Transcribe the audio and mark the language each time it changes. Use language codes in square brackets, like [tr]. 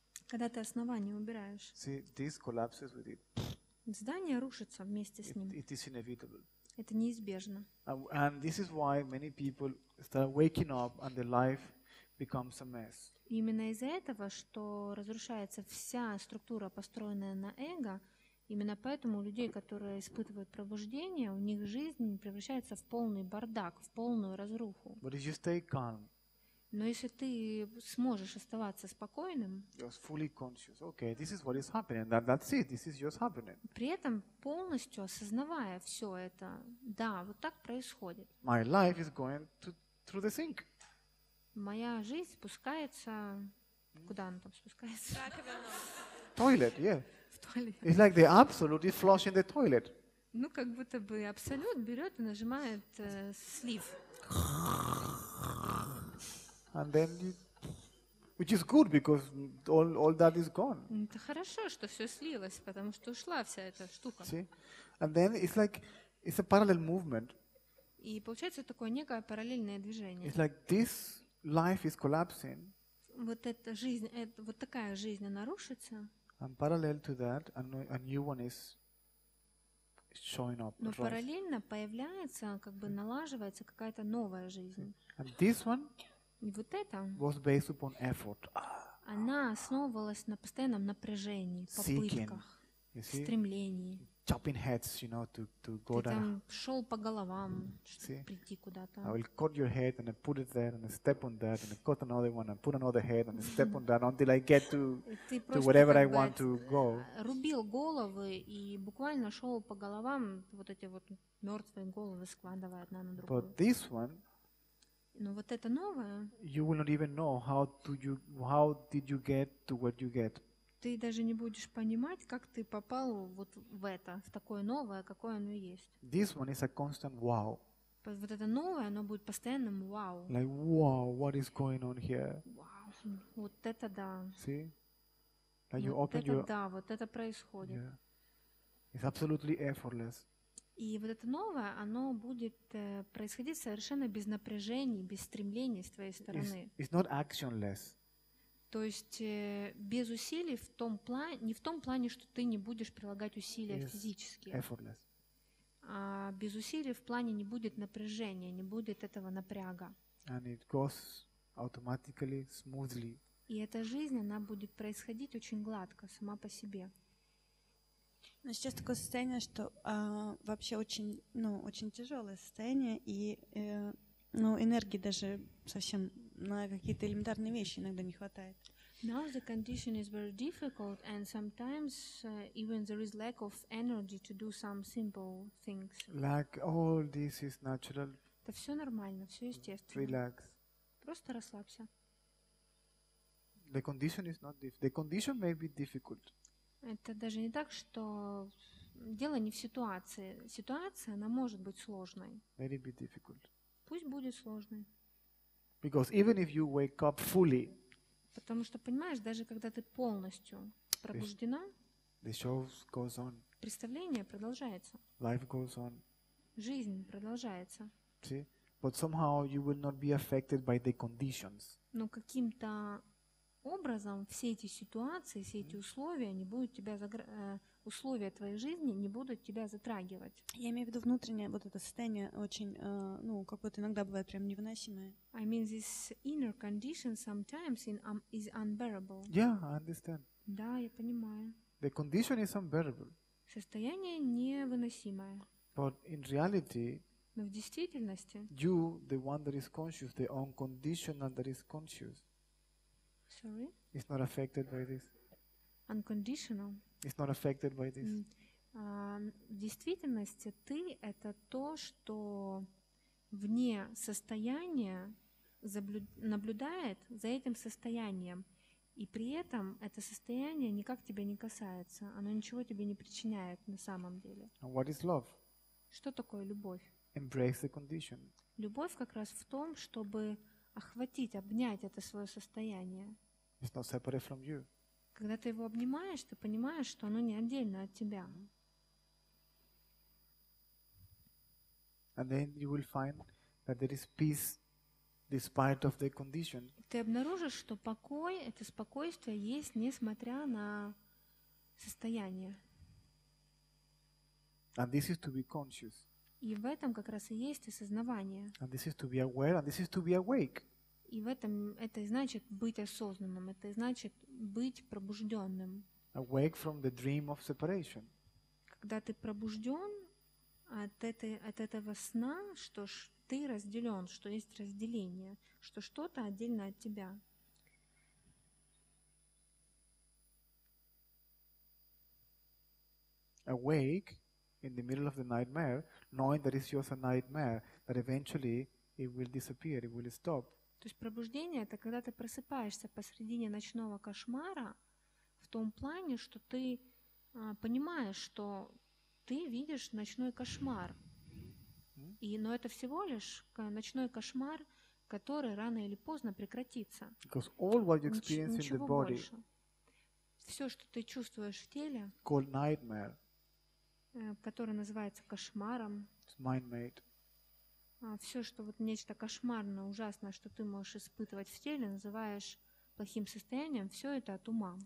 [ru] Когда ты основание убираешь. [en] See, this collapses with it. [ru] Здание рушится вместе с ним. [en] It is inevitable. [ru] Это неизбежно. [en] And this is why many people start waking up and their life becomes a mess. [ru] Именно из-за этого, что разрушается вся структура, построенная на эго, именно поэтому у людей, которые испытывают пробуждение, у них жизнь превращается в полный бардак, в полную разруху. [en] But if you stay calm, [ru] но если ты сможешь оставаться спокойным, [en] fully conscious, okay, this is what is happening, that's it, this is just happening. [ru] При этом полностью осознавая все это, да, вот так происходит. [en] My life is going through the sink. [ru] Моя жизнь спускается... Куда она там спускается? В раковину. [en] Toilet, yeah. [ru] В туалет. [en] It's like the absolute is flushing the toilet. [ru] Ну, как будто бы абсолют берет и нажимает слив. [en] And then you... Which is good because all that is gone. [ru] Это хорошо, что все слилось, потому что ушла вся эта штука. [en] See? And then it's like it's a parallel movement. [ru] И получается такое некое параллельное движение. [en] It's like this life is collapsing. [ru] Вот эта жизнь, вот такая жизнь, она рушится. [en] And parallel to that, a new one is showing up. [ru] Но параллельно появляется, как бы налаживается какая-то новая жизнь. [en] And this one. [ru] И вот это. [en] Was based upon effort. [ru] Она основывалась на постоянном напряжении, попытках, стремлении. [en] Chopping heads, you know, to go there. [ru] Ты там шел по головам, чтобы прийти куда-то. [en] I will cut your head and I put it there and I step on that and I cut another one and put another head and I step on that until I get to whatever I want to go. [ru] Рубил головы и буквально шел по головам, вот эти вот мертвые головы складывая одна на другую. [en] But this one. [ru] Но вот это новое. [en] You will not even know how did you get to what you get. [ru] Ты даже не будешь понимать, как ты попал вот в это, в такое новое, какое оно есть. [en] This one is a constant wow. [ru] Вот это новое, оно будет постоянным wow. [en] Like wow, what is going on here? [ru] Wow, вот это да. [en] See? Like [ru] вот [en] you open [ru] это [en] your... [ru] да, вот это происходит. [en] Yeah. It's absolutely effortless. [ru] И вот это новое, оно будет происходить совершенно без напряжений, без стремлений с твоей стороны. [en] It's not actionless. [ru] То есть без усилий в том плане, не в том плане, что ты не будешь прилагать усилия физически, [en] effortless. [ru] А без усилий в плане не будет напряжения, не будет этого напряга. [en] And it goes automatically, smoothly. [ru] И эта жизнь, она будет происходить очень гладко, сама по себе. Но сейчас такое состояние, что вообще очень, ну, очень тяжелое состояние, и ну, энергии даже совсем на какие-то элементарные вещи иногда не хватает. [en] Now the condition is very difficult, and sometimes even there is lack of energy to do some simple things. Like all this is natural. [ru] Это все нормально, все естественно. [en] Relax. [ru] Просто расслабься. [en] The condition is not the condition may be difficult. [ru] Это даже не так, что дело не в ситуации. Ситуация, она может быть сложной. [en] May it be difficult. [ru] Пусть будет сложной. [en] Because even if you wake up fully, [ru] потому что, понимаешь, даже когда ты полностью пробуждена, [en] the show goes on. [ru] Представление продолжается. [en] Life goes on. [ru] Жизнь продолжается. [en] See? But somehow you will not be affected by the conditions. [ru] Но каким-то образом все эти ситуации, все эти условия не будут тебя условия твоей жизни не будут тебя затрагивать. Я имею в виду внутреннее вот это состояние очень, ну, как вот иногда бывает прям невыносимое. [en] I mean this inner condition sometimes is unbearable. Yeah, I understand. [ru] Да, я понимаю. [en] The condition is unbearable. [ru] Состояние невыносимое. [en] But in reality. [ru] Но в действительности. [en] You, the one that is conscious, the unconditional that is conscious. Sorry? It's not affected by this. Unconditional. It's not affected by this. [ru] В действительности ты — это то, что вне состояния наблюдает за этим состоянием, и при этом это состояние никак тебя не касается, оно ничего тебе не причиняет на самом деле. [en] And what is love? [ru] Что такое любовь? [en] Embrace the condition. [ru] Любовь как раз в том, чтобы охватить, обнять это свое состояние. [en] It's not separate from you. [ru] Когда ты его обнимаешь, ты понимаешь, что оно не отдельно от тебя. [en] And then you will find that there is peace despite of the condition. [ru] Ты обнаружишь, что покой, это спокойствие есть, несмотря на состояние. [en] And this is to be conscious. [ru] И в этом как раз и есть осознавание. [en] And this is to be aware, and this is to be awake. [ru] И в этом это и значит быть осознанным, это и значит быть пробужденным. [en] Awake from the dream of separation. [ru] Когда ты пробужден от этого сна, что ж ты разделен, что есть разделение, что что-то отдельно от тебя. [en] Awake in the middle of the nightmare, knowing that it's just a nightmare, that eventually it will disappear, it will stop. [ru] То есть пробуждение — это когда ты просыпаешься посредине ночного кошмара в том плане, что ты понимаешь, что ты видишь ночной кошмар. И, но это всего лишь ночной кошмар, который рано или поздно прекратится. [en] Because all what you experience in the body, [ru] все, что ты чувствуешь в теле, [en] called nightmare, [ru] который называется кошмаром, [en] it's mind-made. [ru] Все, что вот нечто кошмарное, ужасное, что ты можешь испытывать в теле, называешь плохим состоянием, все это от ума.